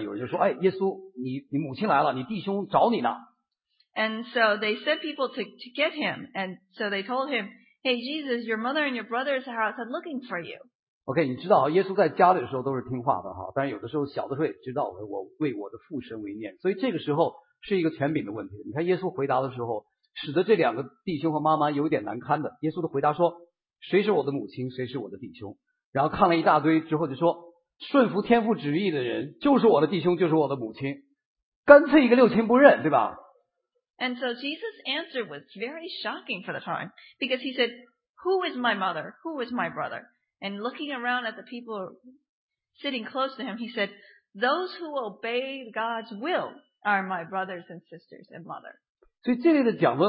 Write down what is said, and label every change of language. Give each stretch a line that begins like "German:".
Chinese: 然后呢，许多人都在听耶稣讲道的时候呢，有人就说：“哎，耶稣，你母亲来了，你弟兄找你呢。”
English: And so they sent people to get him, and so they told him, "Hey, Jesus, your mother and your brothers are outside looking for you." OK，
Chinese: 你知道，耶稣在家里的时候都是听话的哈，但是有的时候小的时候也知道我为我的父神为念，所以这个时候是一个权柄的问题。你看耶稣回答的时候，使得这两个弟兄和妈妈有点难堪的。耶稣的回答说：“谁是我的母亲，谁是我的弟兄？”然后看了一大堆之后就说：“顺服天父旨意的人就是我的弟兄，就是我的母亲。”干脆一个六亲不认，对吧
English: ？And so Jesus' answer was very shocking for the time because he said, "Who is my mother? Who is my brother?" And looking around at the people sitting close to him, he said, "Those who obey God's will are my brothers and sisters and mother."